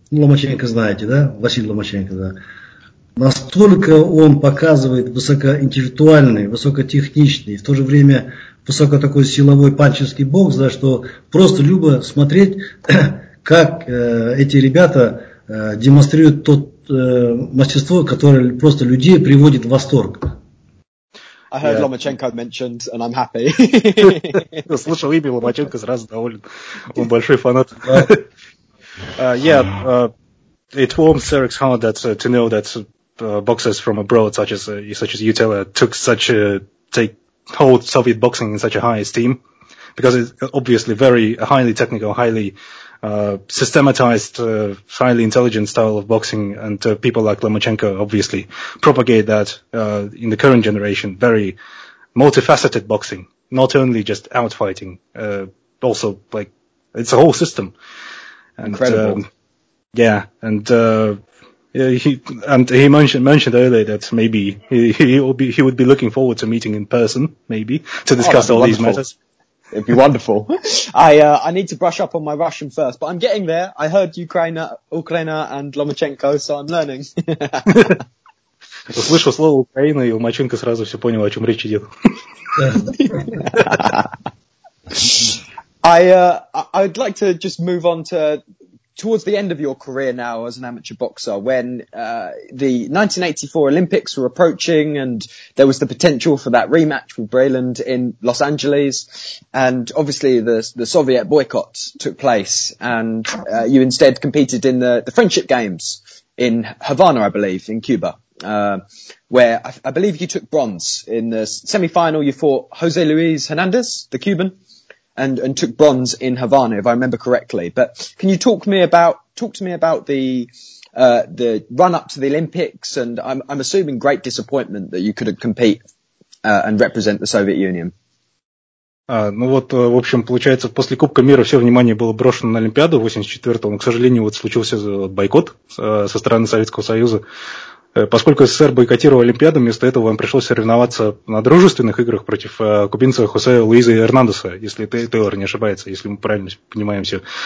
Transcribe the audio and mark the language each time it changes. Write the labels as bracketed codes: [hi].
[ru] Ну, Ломаченко знаете, да? Василий Ломаченко, да. Настолько он показывает высокоинтеллектуальный, высокотехничный, в то же время высоко такой силовой панчерский бокс, да, что просто любо смотреть, как эти ребята демонстрируют тот мастерство, которое просто людей приводит в восторг. [en] I heard Ломаченко mentioned, and I'm happy. [ru] Слышал имя Ломаченко, сразу доволен. Он большой фанат. [en] It warms Serik's heart that to know that boxers from abroad, such as you, Taylor, took such a take hold Soviet boxing in such a high esteem, because it's obviously very highly technical, highly systematized, highly intelligent style of boxing, and people like Lomachenko obviously propagate that in the current generation, very multifaceted boxing, not only just outfighting, also like it's a whole system. And, incredible. He mentioned earearlier that maybe he would be looking forward to meeting in person, maybe, to discuss all these matters. It'd be wonderful. I need to brush up on my Russian first, but I'm getting there. I heard Ukraina and Lomachenko, so I'm learning. Услышал слово Украина, и Ломаченко сразу все понял, о чем речь идет. I'd like to just move on to towards the end of your career now as an amateur boxer, when the 1984 Olympics were approaching and there was the potential for that rematch with Breland in Los Angeles, and obviously the Soviet boycott took place, and you instead competed in the Friendship Games in Havana, I believe, in Cuba, where I believe you took bronze. In the semifinal, you fought Jose Luis Hernandez, the Cuban, and took bronze in Havana, if I remember correctly. But can you talk to me about the run up to the Olympics, and I'm assuming great disappointment that you couldn't compete and represent the Soviet Union. [ru] Ну вот, в общем, получается, после Кубка мира все внимание было брошено на Олимпиаду 84-го, но, к сожалению, вот случился бойкот со стороны Советского Союза. Поскольку СССР бойкотировал Олимпиаду, вместо этого вам пришлось соревноваться на дружественных играх против кубинца Хосе Луиза Эрнандеса, если Тейлор не ошибается, если мы правильно понимаем все.